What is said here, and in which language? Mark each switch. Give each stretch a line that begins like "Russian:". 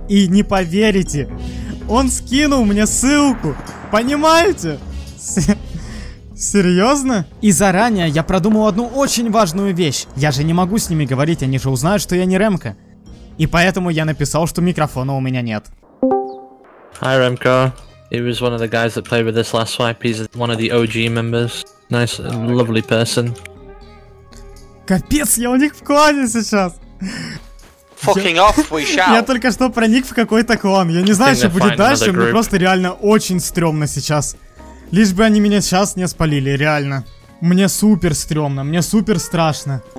Russian: И не поверите, он скинул мне ссылку, понимаете? Серьезно? И заранее я продумал одну очень важную вещь, я же не могу с ними говорить, они же узнают, что я не Ремка. И поэтому я написал, что микрофона у меня нет.
English: Hi, Remco. He was one of the guys that played with us last swipe. He's one of the OG members. Nice, lovely person.
Russian: Капец, я у них в клане сейчас.
English: Fucking off, we shall.
Russian: Я только что проник в какой-то клан. Я не знаю, что будет дальше, мне просто реально очень стрёмно сейчас. Лишь бы они меня сейчас не спалили, реально. Мне супер стрёмно, мне супер страшно.